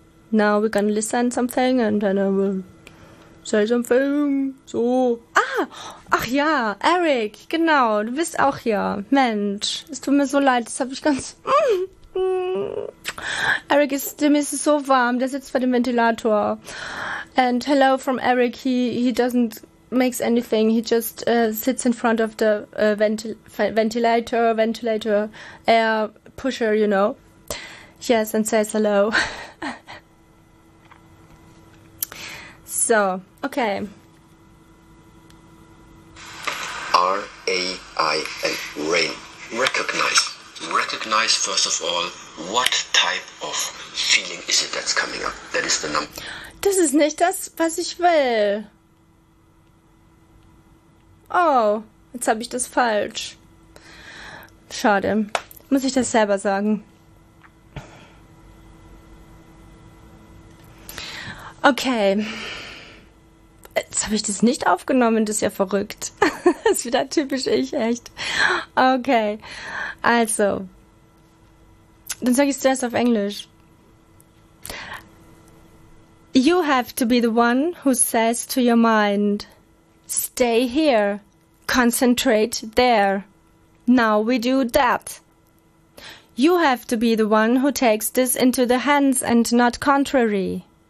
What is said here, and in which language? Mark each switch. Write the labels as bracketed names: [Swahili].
[English] Now we're gonna listen something and then I will say something. So. [German] Ah, ach ja, Eric, genau, du bist auch hier. Mensch, es tut mir so leid, das habe ich ganz... Eric is, dem ist so warm, der sitzt bei dem Ventilator. [English] And hello from Eric, he doesn't makes anything, he just sits in front of the ventilator air pusher, you know. Yes, and says hello. So, okay. R-A-I-N, rain. Recognize first of all, what type of feeling is it that's coming up? That is the number. [German] Das ist nicht das, was ich will. Oh, jetzt habe ich das falsch. Schade. Muss ich das selber sagen? Okay. Jetzt habe ich das nicht aufgenommen, das ist ja verrückt. Das ist wieder typisch ich, echt. Okay. Also. Dann sage ich es zuerst auf Englisch. [English] You have to be the one who says to your mind, stay here, concentrate there. Now we do that. You have to be the one who takes this into the hands and not contrary.